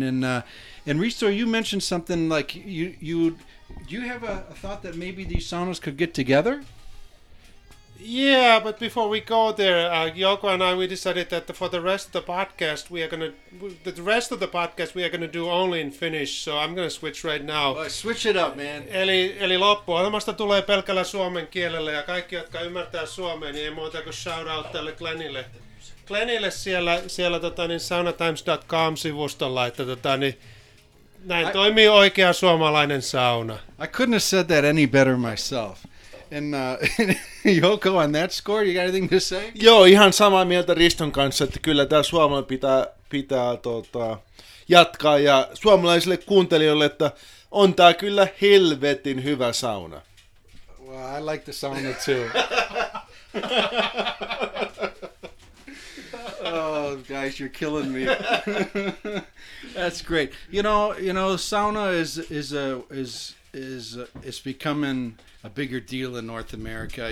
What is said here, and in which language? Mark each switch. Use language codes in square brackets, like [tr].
[en] And Risto, you mentioned something like do you have a thought that maybe these saunas could get together? Yeah, but before we go there, Yoko and I, we decided that for the rest of the podcast, we are going to do only in Finnish. So I'm going to switch right now. Oh, switch it up, man. [fi] Eli loppu. Olemasta tulee pelkällä suomen kielellä ja kaikki, jotka ymmärtää suomea, niin ei muuta kuin [en] shout out [fi] tälle Glennille. Glennille siellä saunatimes.com-sivustolla, että näin toimii oikea suomalainen sauna. [en] I couldn't have said that any better myself. And Yoko, on that score, you got anything to say? [fi] Joo, ihan samaa mieltä Riston kanssa, että kyllä tämä Suoma pitää jatkaa. Ja suomalaisille kuuntelijoille, että on tämä kyllä helvetin hyvä sauna. [en] Well, I like the sauna too. Oh, guys, you're killing me. That's great. You know, sauna is becoming a bigger deal in North America.